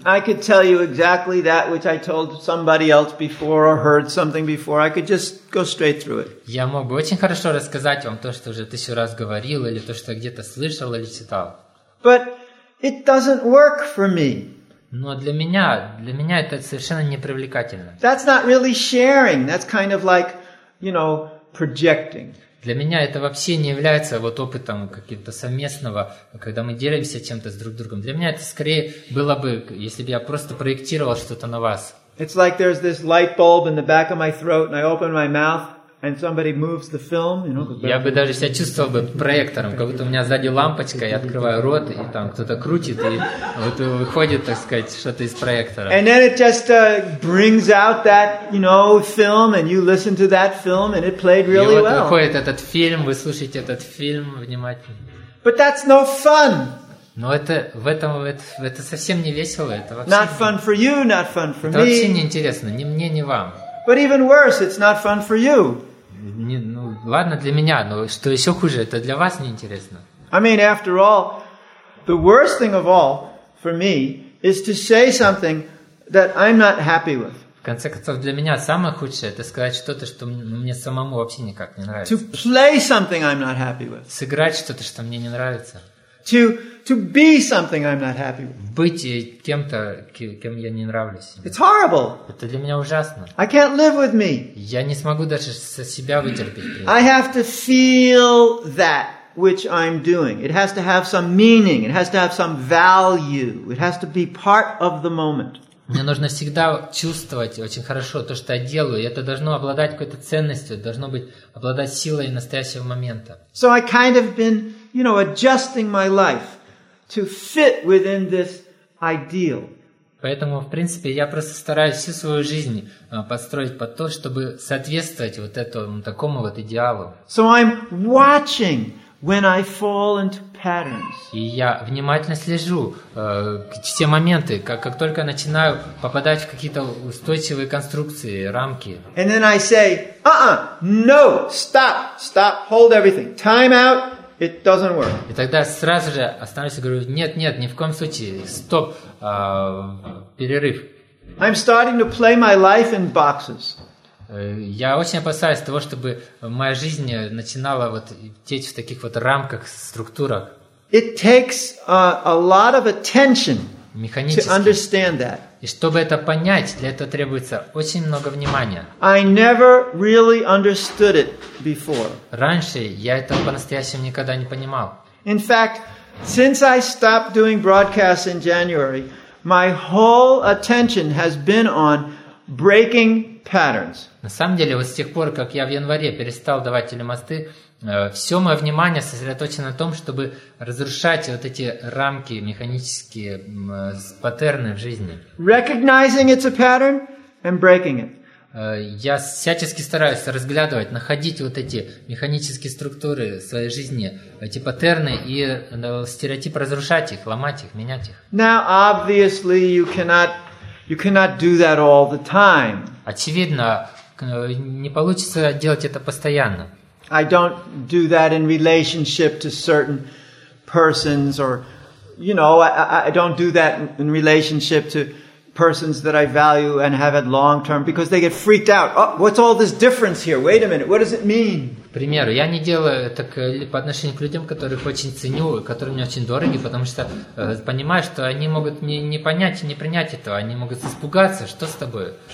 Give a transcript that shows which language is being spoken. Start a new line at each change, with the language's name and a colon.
English: I could tell you exactly that which I told somebody else before or heard something before. I could just go straight through it.
Russian: Я мог бы очень хорошо рассказать вам то, что уже тысячу раз говорил, или то, что я где-то слышал или читал.
English: But it doesn't work for me.
Russian: Но для меня это совершенно не привлекательно.
English: That's not really sharing. That's kind of like, you know, projecting.
Russian: Для меня это вообще не является вот опытом каким-то совместного, когда мы делимся чем-то с друг другом. Для меня это скорее было бы, если бы я просто проектировал что-то на вас.
English: It's like there's this light bulb in the back of my throat and I open my mouth and somebody moves the film, you know.
Russian: Я бы даже себя чувствовал бы проектором, как будто у меня сзади лампочка, я открываю рот, и там кто-то крутит, и вот выходит, так сказать, что-то из проектора.
English: And then it just brings out that, you know, film, and you listen to that film, and it played really well.
Russian: И вот выходит этот фильм, вы слушаете этот фильм внимательно.
English: But that's no fun.
Russian: Но это совсем не весело. Это вообще
English: not fun for you, not fun for me.
Russian: Это вообще не интересно, ни мне, ни вам.
English: But even worse, it's not fun for you.
Russian: Не, ну, ладно для меня, но что еще хуже, это для вас неинтересно.
English: I mean, after all, the worst thing of all for me is to say something that I'm not happy with.
Russian: В конце концов, для меня самое худшее это сказать что-то, что мне самому вообще никак не нравится.
English: To play something I'm not happy with.
Russian: Сыграть что-то, что мне не нравится.
English: To be something I'm not happy with.
Russian: Быть кем-то, кем я не нравлюсь.
English: It's horrible.
Russian: Это для меня ужасно.
English: I can't live with me.
Russian: Я не смогу даже со себя вытерпеть.
English: I have to feel that which I'm doing. It has to have some meaning. It has to have some value. It has to be part of the moment.
Russian: Мне нужно всегда чувствовать очень хорошо то, что я делаю. И это должно обладать какой-то ценностью, должно быть обладать силой настоящего момента.
English: So I kind of been, you know, adjusting my life to fit within this ideal.
Russian: Поэтому, в принципе, я просто стараюсь всю свою жизнь подстроить под то, чтобы соответствовать вот этому такому вот идеалу.
English: So I'm watching when I fall into patterns.
Russian: И я внимательно слежу все моменты, как только начинаю попадать в какие-то устойчивые конструкции, рамки.
English: And then I say, no, stop, stop, hold everything, time out. It doesn't work.
Russian: И тогда сразу же останавливаюсь и говорю: нет, нет, ни в коем случае, стоп, перерыв.
English: I'm starting to play my life in boxes.
Russian: Я очень опасаюсь того, чтобы моя жизнь начинала вот течь в таких вот рамках, структурах.
English: It takes a lot of attention to understand that.
Russian: И чтобы это понять, для этого требуется очень много внимания.
English: I never really understood it before.
Russian: Раньше я это по-настоящему никогда не понимал.
English: In fact, since I stopped doing broadcasts in January, my whole attention has been on breaking patterns.
Russian: На самом деле, вот с тех пор, как я в январе перестал давать телемосты, все мое внимание сосредоточено на том, чтобы разрушать вот эти рамки, механические паттерны в жизни.
English: Recognizing it's a pattern and breaking it.
Russian: Я всячески стараюсь разглядывать, находить вот эти механические структуры в своей жизни, эти паттерны и стереотип разрушать их, ломать их, менять их.
English: Now, obviously, you cannot do that all the time.
Russian: Очевидно, не получится делать это постоянно.
English: I don't do that in relationship to certain persons or, you know, I don't do that in relationship to persons that I value and have it long term because they get freaked out. Oh, what's all this difference here? Wait a minute, what does it mean?
Russian: К примеру, я не делаю это по отношению к людям, которых очень ценю, которые мне очень дороги, потому что понимаю, что они могут не понять и не принять этого, они могут испугаться, что с тобой?